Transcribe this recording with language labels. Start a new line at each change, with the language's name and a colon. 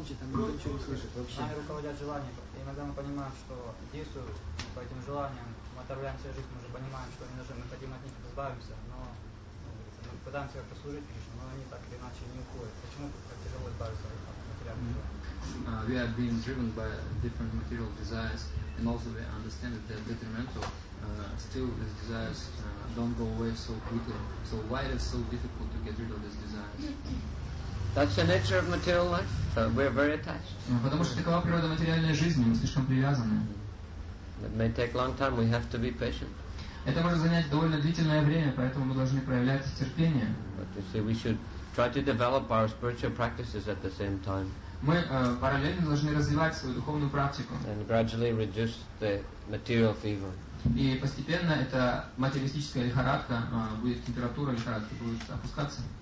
Russian: Нами руководят желания. Иногда мы понимаем, что действуют по этим желаниям, мы отравляем себе жизнь, мы уже понимаем, что мы хотим от них избавиться, но мы пытаемся как-то служить Кришне, но они так или иначе не уходят. Почему так тяжело избавиться от материальных желаний?
English: We are being driven by different material desires, and also we understand that they're detrimental. Still, these desires don't go away so quickly. So why is it so difficult to get rid of these desires? That's the nature of material life. So we're very attached.
Russian: Потому что такова природа материальной жизни, мы слишком привязаны.
English: It may take long time. We have to be patient.
Russian: Это может занять довольно длительное время, поэтому мы должны проявлять терпение.
English: But you see, we should try to develop our spiritual practices at the same time.
Russian: Мы параллельно должны развивать свою духовную практику.
English: And gradually reduce the material fever.
Russian: И постепенно эта материалистическая лихорадка будет, температура лихорадки будет опускаться.